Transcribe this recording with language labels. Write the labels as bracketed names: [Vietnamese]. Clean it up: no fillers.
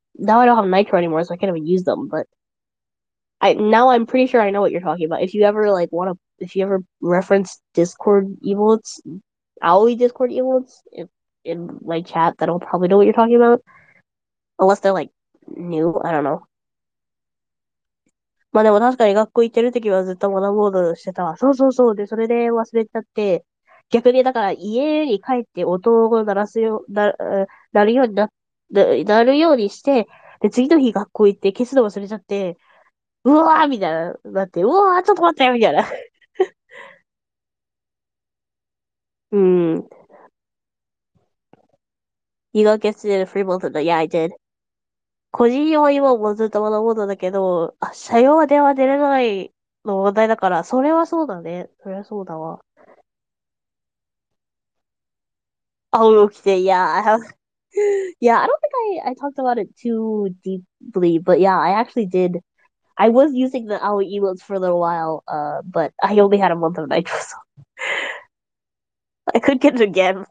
[English] Now I don't have Nitro anymore, so I can't even use them, but I'm pretty sure I know what you're talking about. If you ever like wanna if you ever reference Discord emotes, owly Discord emotes in my chat, that'll probably know what you're talking about. Unless they're like new, I don't know. [Japanese] まあでも確かに学校行ってる時はずっとマナーモードしてたわ。そうそうそう。で、それで忘れちゃって。逆に、だから家に帰って音を鳴らすよ、な、なるようにな、なるようにして、で、次の日学校行って消すの忘れちゃって、うわーみたいな、なって、うわーちょっと待ってみたいな。 [English] You got gifted in a free month of the, yeah, I did. [Japanese] 個人用は今もずっとまだまだだけど、あ、社用は電話出れないの問題だから、それはそうだね。それはそうだわ。青起きて、 [English] yeah, I have, yeah, I don't think I talked about it too deeply, but yeah, I actually did. I was using the owl emotes for a little while, but I only had a month of Nitro, so. I could get it again.